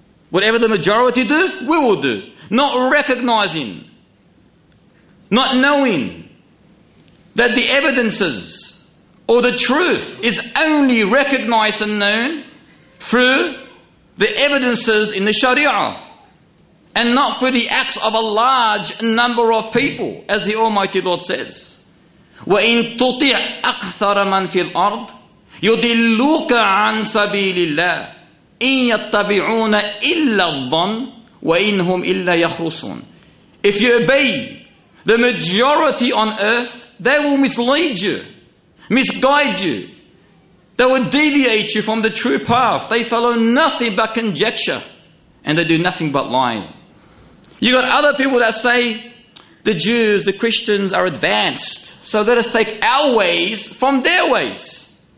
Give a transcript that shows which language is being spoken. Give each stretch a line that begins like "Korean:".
English: Whatever the majority do, we will do. Not recognizing, not knowing that the evidences or the truth is only recognized and known through the evidences in the Sharia and not through the acts of a large number of people, as the Almighty Lord says.
Arabic: وَإِن تُطِعْ أَكْثَرَ مَن فِي الْأَرْضِ يُضِلُّكَ عَن سَبِيلِ اللَّهِ إِن يَتَّبِعُونَ إِلَّا الظَّنَّ وَإِن هُمْ إِلَّا يَخْرُصُونَ
English: If you obey the majority on earth, they will mislead you, misguide you. They will deviate you from the true path. They follow nothing but conjecture and they do nothing but lying. You got other people that say, the Jews, the Christians are advanced, so let us take our ways from their ways.